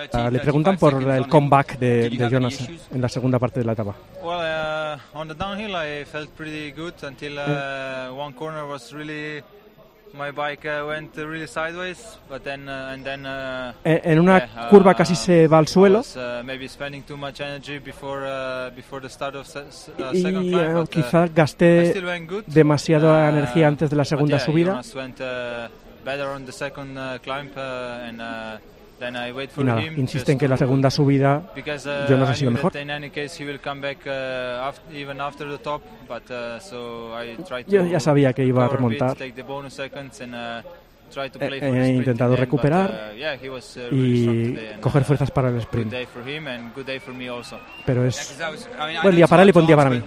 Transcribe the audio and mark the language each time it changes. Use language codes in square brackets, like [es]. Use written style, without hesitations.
[es] Le preguntan por el comeback de Jonas en la segunda parte de la etapa. [en] On the downhill I felt pretty good until one corner was really my bike went really sideways, but then and then [es] en una curva casi se va al suelo. [en] Maybe spending too much energy before before the start of second climb. [es] Y quizá gasté demasiada energía antes de la segunda subida. [en] Jonas went better on the second climb and then I wait for him. [es] Insisten que la segunda subida Jonas ha sido mejor. [en] In any case he will come back even after the top, but so I tried to. [es] Yo ya sabía que iba a remontar. [en] Take the bonus seconds and try to play for the sprint. [es] He intentado recuperar y coger fuerzas para el sprint. [en] Good day for him and good day for me also. [es] Pero es buen día para él y buen día para mí.